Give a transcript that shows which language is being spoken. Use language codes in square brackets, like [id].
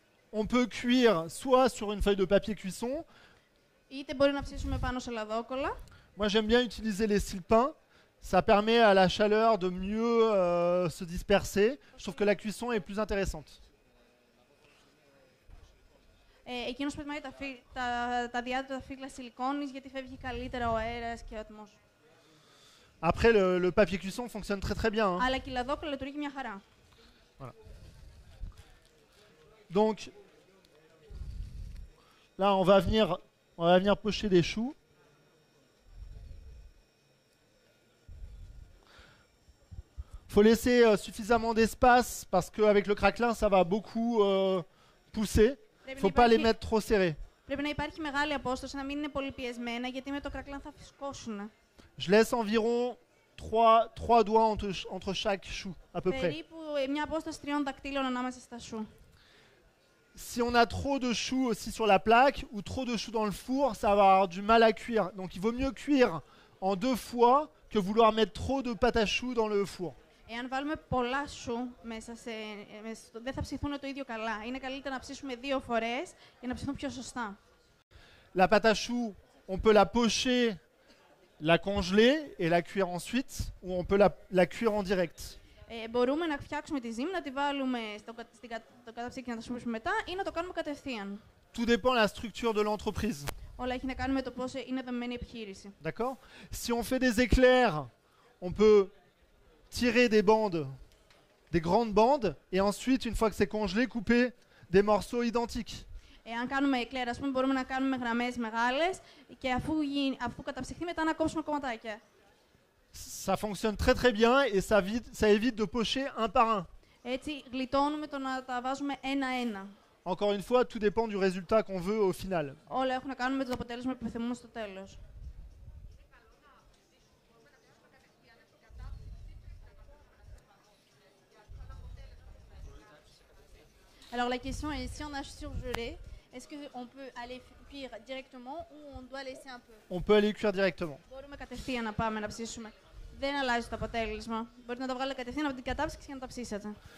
[fr] On peut cuire soit sur une feuille de papier cuisson. [el] Είτε μπορεί να ψήσουμε πάνω σε λαδόκολλα. [fr] Moi j'aime bien utiliser les silpins. Ça permet à la chaleur de mieux se disperser. Je trouve que la cuisson est plus intéressante. [el] Εκείνος που προτιμάει τα διάδοτα φύλλα σιλικόνης γιατί φεύγει καλύτερα ο αέρας και ο ατμός. [fr] Après le papier cuisson fonctionne très très bien. [el] Αλλά και η λαδόκολλα λειτουργεί μια χαρά. [fr] Donc, Là, on va venir pocher des choux. Il faut laisser suffisamment d'espace parce qu'avec le craquelin, ça va beaucoup pousser. Il ne faut pas les mettre trop serrés. [el] Πρέπει να υπάρχει μεγάλη απόσταση, να μην είναι πολύ πιεσμένα, γιατί με το κρακλάν θα φυσκώσουν. [fr] Je laisse environ 3 doigts entre chaque chou, à peu près. [el] Περίπου μια απόσταση 3 δακτύλων ανάμεσα στα chou. [fr] Si on a trop de choux aussi sur la plaque ou trop de choux dans le four, ça va avoir du mal à cuire. Donc il vaut mieux cuire en deux fois que vouloir mettre trop de pâte à choux dans le four. [el] Εάν βάλουμε πολλά σου μέσα σε... δεν θα ψηθούν το ίδιο καλά. Είναι καλύτερα να ψήσουμε δύο φορές για να ψηθούν πιο σωστά. [fr] La pâte à choux, on peut la pocher, la congeler et la cuire ensuite ou on peut la cuire en direct. [el] Μπορούμε να φτιάξουμε τη ζύμη, να τη βάλουμε στο καταψύκι και να τα σούμε μετά ή να το κάνουμε κατευθείαν. [fr] Tout dépend la structure de l'entreprise. [el] Όλα έχει να κάνει με το πώς είναι δεμένη η επιχείρηση. [fr] D'accord. Si on fait des éclairs, on peut tirer des bandes, des grandes bandes, et ensuite, une fois que c'est congelé, couper des morceaux identiques. Et [el] αν κάνουμε éclair, ας πούμε, μπορούμε να κάνουμε γραμμές μεγάλες και αφού καταψυχθεί, μετά να κόψουμε κομματάκια. [fr] Ça fonctionne très très bien et ça évite de pocher un par un. [el] Έτσι, γλιτώνουμε το να τα βάζουμε ένα-ένα. [fr] Encore une fois, tout dépend du résultat qu'on veut au final. [el] Όλα έχουν να κάνουμε το αποτέλεσμα που θέλουμε στο τέλος. [fr] Alors la question est, si on a surgelé, est-ce qu'on peut aller cuire directement ou on doit laisser un peu? On peut aller cuire directement. [el] Μπορούμε κατευθείαν να πάμε να ψήσουμε. Δεν αλλάζει το αποτέλεσμα. Μπορείτε να το βγάλετε κατευθείαν από την κατάψυξη και να το ψήσετε.